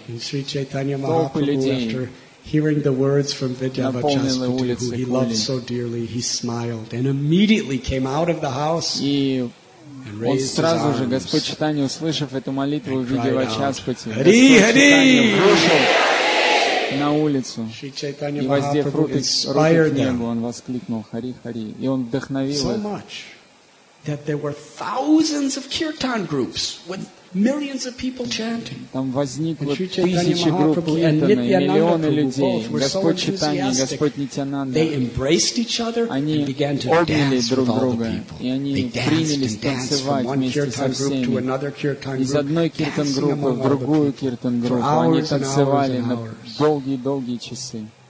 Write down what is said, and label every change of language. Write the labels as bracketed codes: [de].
[ru] Толпы людей [en] hearing the words from Vidyavachaspati, who he loved so dearly, he smiled and immediately came out of the house and raised his arms. [ru] Сразу же Господь Чайтанья, услышав эту молитву Vidyavachaspati, Hari Hari, вышел на улицу и воздев руки к небу, он воскликнул Hari Hari, и он вдохновил [en] so much that there were thousands of kirtan groups with millions of people chanting. [ru] Там возникло тысячи групп киртаны, миллионы людей. Господь Чайтанья, Господь Нитянанда. [en] They embraced each other and began to [ru] обняли друг друга, и они принялись танцевать вместе со всеми. Из одной киртан группы в другую киртан группу они танцевали на долгие-долгие часы.